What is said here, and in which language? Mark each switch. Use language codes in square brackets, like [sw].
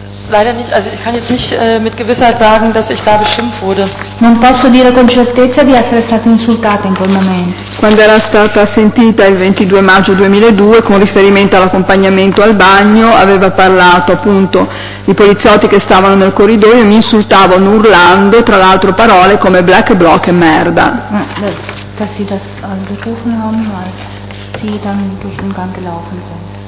[de] Ich kann jetzt nicht mit Gewissheit sagen, dass ich da beschimpft wurde. [it] Non posso dire con certezza di essere stata insultata in quel momento. Quando era stata sentita il 22 maggio 2002 con riferimento all'accompagnamento al bagno, aveva parlato appunto i poliziotti che stavano nel corridoio mi insultavano urlando, tra l'altro parole come black block e merda. [de] Dass sie das angerufen haben, als sie dann durch den Gang gelaufen sind.